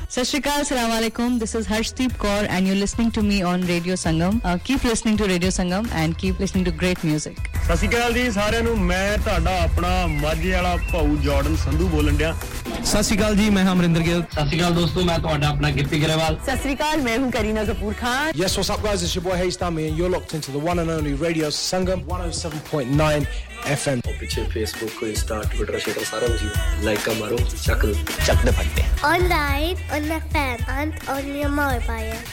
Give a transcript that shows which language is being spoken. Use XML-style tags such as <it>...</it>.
<pa>ਸਤਿ ਸ਼੍ਰੀ ਅਕਾਲ, ਸਲਾਮ ਅਲੈਕੁਮ,</pa> <en>This is Harshdeep Kaur and you listening to me on radio Sangam. Keep listening to radio Sangam and keep listening to great music.</en> <pa>ਸਤਿ ਸ਼੍ਰੀ ਅਕਾਲ ਜੀ ਸਾਰਿਆਂ ਨੂੰ, ਮੈਂ ਤੁਹਾਡਾ ਆਪਣਾ ਮਾਝੇ ਵਾਲਾ ਭਾਊ ਜਾਰਡਨ ਸੰਧੂ ਬੋਲਣ ਡਿਆ. ਸਤਿ ਸ਼੍ਰੀ ਅਕਾਲ ਜੀ, ਮੈਂ ਹਾਂ ਅਮਰਿੰਦਰ ਗਿੱਲ. ਸਤਿ ਸ਼੍ਰੀ ਅਕਾਲ ਦੋਸਤੋ, ਮੈਂ ਤੁਹਾਡਾ ਆਪਣਾ ਗਿੱਪੀ ਗਰੇਵਾਲ. ਸਤਿ ਸ਼੍ਰੀ ਅਕਾਲ,</pa> <hi>ਮੈਂ ਹੂੰ Kareena Kapoor Khan.</hi> <en>Yes, what's up guys, it's your boy Hey Stammy and you're locked into the one and only Radio Sangam 107.9 FM.</en> <pa>ਪਿੱਛੇ ਫੇਸਬੁੱਕ, ਇੰਸਟਾ, ਟਵਿੱਟਰ, ਸ਼ੇਅਰ ਸਾਰਾ ਕੁਝ ਲਾਈਕਾਂ ਮਾਰੋ, ਚੱਕ ਚੱਕ ਦੇ ਫੰਡੇ.</pa> <en>Online on the fan and on your mobile.</en>